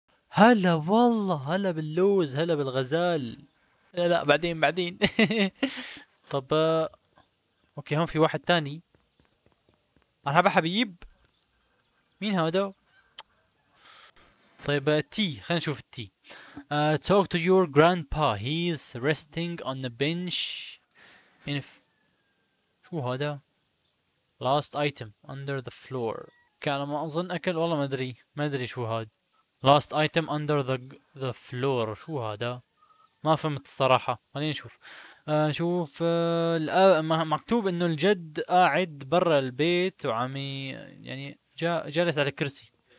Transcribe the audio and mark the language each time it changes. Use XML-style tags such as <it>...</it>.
<ar>هلا والله، هلا باللوز، هلا بالغزال. لا لا بعدين بعدين. طب اوكي هون في واحد تاني. مرحبا حبيب، مين هذا؟ طيب تي، خلينا نشوف التي.</ar> <en>Talk to your grandpa, he's resting on the bench.</en> <ar>شو هذا؟</ar> <en>Last item under the floor.</en> <ar>كان ما اظن اكل، والله ما ادري ما ادري شو هذا.</ar> <en>Last item under the floor،</en> <ar>شو هذا؟ ما فهمت الصراحة، خلينا نشوف. شوف مكتوب انه الجد قاعد برا البيت وعم يعني جالس على الكرسي.</ar>